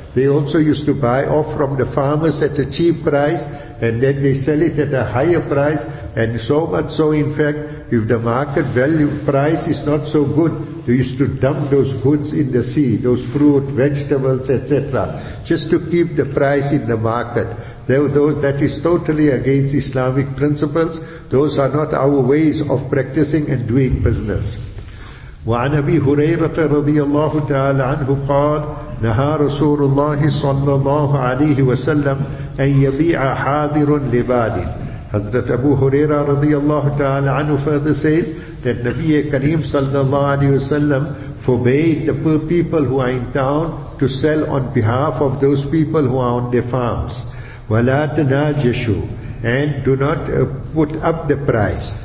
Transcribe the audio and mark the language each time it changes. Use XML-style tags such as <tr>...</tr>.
<en>They also used to buy off from the farmers at a cheap price, and then they sell it at a higher price, and so much so, in fact, if the market value price is not so good, they used to dump those goods in the sea, those fruit, vegetables, etc., just to keep the price in the market. Those, that is totally against Islamic principles. Those are not our ways of practicing and doing business.</en> <ar>وعن أبي هريرة رضي الله تعالى عنه قال نهى رسول الله صلى الله عليه وسلم أن يبيع حاضر لبال.</ar> <en>Hazrat Abu Huraira radiyallahu ta'ala anhu further says that Nabiya Kareem sallallahu alayhi wasallam forbade the poor people who are in town to sell on behalf of those people who are on their farms.</en> <ar>وَلَا تَنَاجَشُوا,</ar> <en>and do not put up the price.</en>